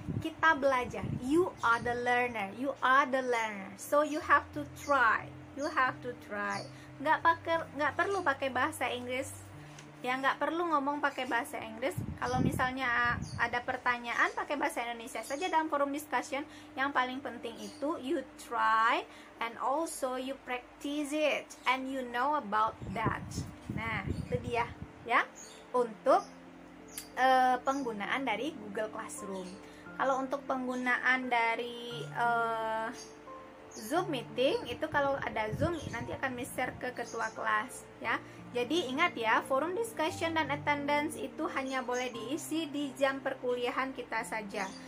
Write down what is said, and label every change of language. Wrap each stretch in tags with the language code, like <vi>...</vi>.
<id>Kita belajar.</id> <en>You are the learner. You are the learner. So you have to try. You have to try.</en> <id>Nggak perlu pakai bahasa Inggris. Ya, nggak perlu ngomong pakai bahasa Inggris. Kalau misalnya ada pertanyaan, pakai bahasa Indonesia saja dalam forum discussion. Yang paling penting itu</id> <en>you try and also you practice it and you know about that.</en> <id>Nah, itu dia ya untuk penggunaan dari Google Classroom. Kalau untuk penggunaan dari Zoom meeting, itu kalau ada Zoom nanti akan mister ke ketua kelas ya. Jadi ingat ya, forum discussion dan attendance itu hanya boleh diisi di jam perkuliahan kita saja.</id>